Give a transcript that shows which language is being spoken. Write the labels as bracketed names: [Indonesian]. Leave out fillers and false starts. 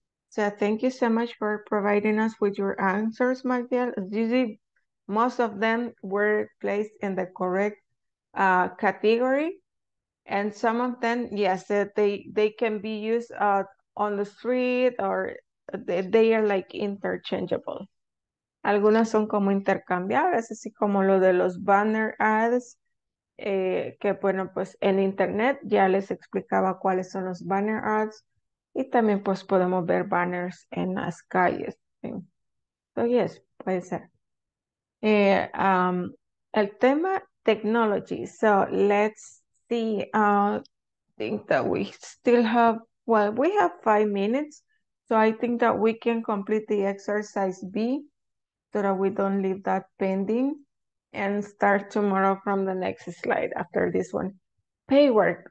[English] So thank you so much for providing us with your answers, Miguel. Most of them were placed in the correct category. And some of them, yes, they can be used on the street, or they are like interchangeable. [Spanish] Algunas son como intercambiables, así como lo de los banner ads, que bueno, pues en internet ya les explicaba cuáles son los banner ads, y también pues podemos ver banners en las calles. ¿Sí? [English] So yes, [Spanish] puede ser. El tema [English] technology, so let's see, think that we still have, well, we have 5 minutes, so I think that we can complete the exercise B, so that we don't leave that pending, and start tomorrow from the next slide after this one. Paywork.